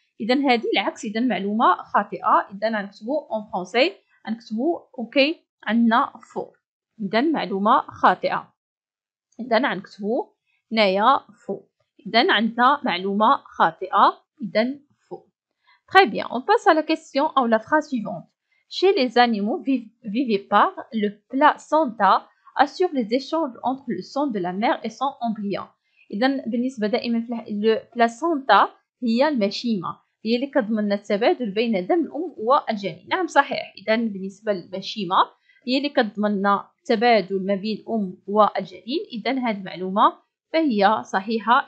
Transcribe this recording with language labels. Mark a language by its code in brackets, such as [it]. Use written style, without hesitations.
[ar] إذا هذه العكس، إذا معلومة خاطئة. إذا نكتبو أون فرونسي نكتبو أوكي عندنا فور، إذا معلومة خاطئة. إذا نكتبو نايا فو، إذا عندنا معلومة خاطئة، إذا فو. [fr] Très bien. On passe à la question ou la phrase suivante. Chez les animaux vivipares, le placenta assure les échanges entre le sang de la mère et son embryon. [ar] إذا بالنسبة دائما le placenta هي المشيمة، هي اللي كتضمن التبادل بين دم الأم والجنين. نعم صحيح. إذا بالنسبة للمشيمة هي اللي كتضمن تبادل ما بين الأم والجنين، إذا هذه المعلومة فهي صحيحة.